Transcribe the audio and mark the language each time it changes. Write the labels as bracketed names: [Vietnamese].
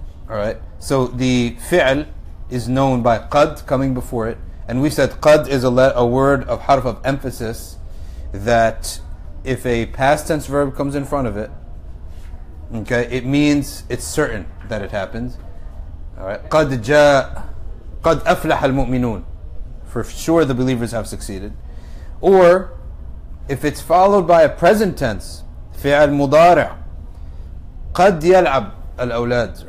[English] All right, so the fi'l is known by qad coming before it, and we said qad is a word of harf of emphasis that if a past tense verb comes in front of it, okay, it means it's certain that it happens. All right, [Arabic] قَدْ جَاءَ قَدْ أَفْلَحَ الْمُؤْمِنُونَ. [English] For sure, the believers have succeeded. Or, if it's followed by a present tense, [Arabic] فِعَلْ مُضَارِعَ قَدْ يَلْعَبْ الْأَوْلَادِ.